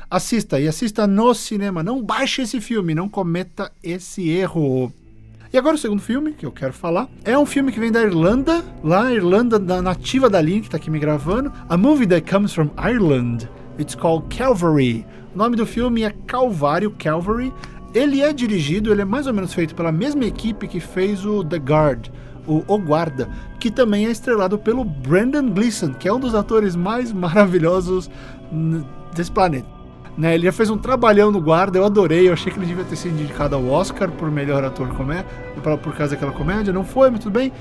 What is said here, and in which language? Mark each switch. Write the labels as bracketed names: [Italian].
[Portuguese] Assista no cinema, não baixe esse filme, não cometa esse erro. E agora o segundo filme que eu quero falar é um filme que vem da Irlanda, lá na Irlanda, da nativa da linha que tá aqui me gravando. [English] A movie that comes from Ireland, it's called Calvary. [Portuguese] O nome do filme é Calvary. Ele é dirigido, ele é mais ou menos feito pela mesma equipe que fez o The Guard, o Guarda, que também é estrelado pelo Brendan Gleeson, que é um dos atores mais maravilhosos desse planeta. Né, ele já fez um trabalhão no Guarda, eu adorei, eu achei que ele devia ter sido indicado ao Oscar por melhor ator por causa daquela comédia, não foi, mas tudo bem.